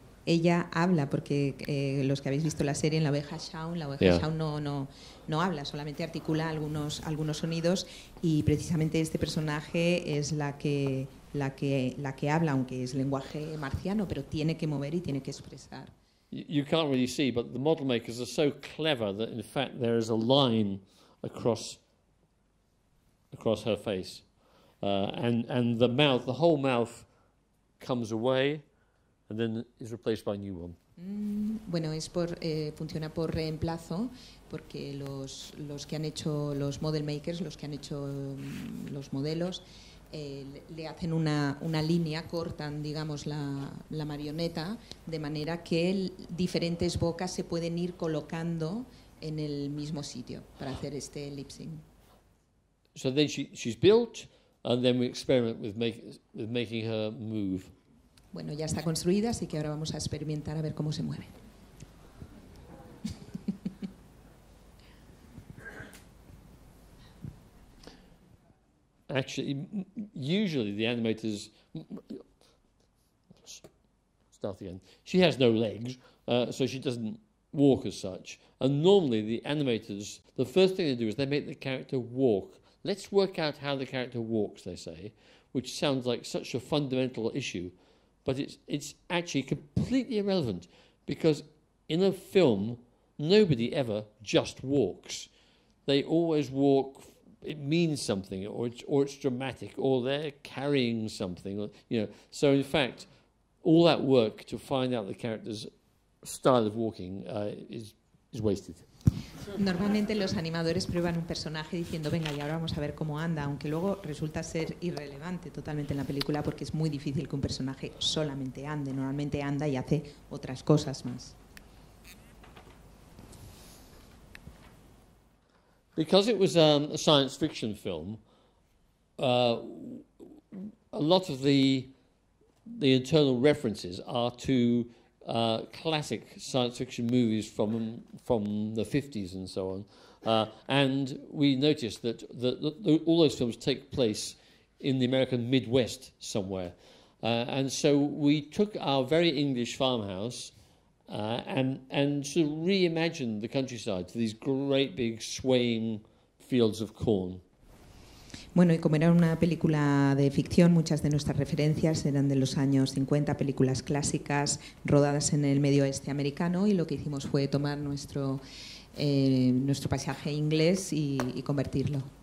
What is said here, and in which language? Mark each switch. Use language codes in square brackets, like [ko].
[es] Ella habla porque los que habéis visto la serie en la oveja Shaun no habla, solamente articula algunos sonidos, y precisamente este personaje es la que habla, aunque es lenguaje marciano, pero tiene que mover y tiene que expresar. [en] You can't really see, but the model makers are so clever that in fact there is a line across her face, and the mouth, the whole mouth comes away. And then is replaced by a new one. [es] Bueno, es por funciona por reemplazo, porque los que han hecho los model makers, los que han hecho los modelos, le hacen una línea, cortan, digamos, la marioneta, de manera que diferentes bocas se pueden ir colocando en el mismo sitio para hacer este lip sync. [en] So then she's built, and then we experiment with making her move. [es] Bueno, ya está construida, así que ahora vamos a experimentar a ver cómo se mueve. [en] actually, usually the animators, start again, she has no legs, so she doesn't walk as such. And normally the animators, the first thing they do is they make the character walk. Let's work out how the character walks, they say, which sounds like such a fundamental issue, but it's actually completely irrelevant, because in a film, nobody ever just walks. They always walk, it means something, or it's dramatic, or they're carrying something. So in fact, all that work to find out the character's style of walking is wasted. [es] Normalmente los animadores prueban un personaje diciendo, venga, y ahora vamos a ver cómo anda, aunque luego resulta ser irrelevante totalmente en la película porque es muy difícil que un personaje solamente ande. Normalmente anda y hace otras cosas más. [en] Because it was a science fiction film, a lot of the internal references are to classic science fiction movies from the 50s and so on. And we noticed that all those films take place in the American Midwest somewhere. And so we took our very English farmhouse and sort of reimagined the countryside to these great big swaying fields of corn. [es] Bueno, y como era una película de ficción, muchas de nuestras referencias eran de los años 50, películas clásicas rodadas en el medio oeste americano, y lo que hicimos fue tomar nuestro paisaje inglés y convertirlo.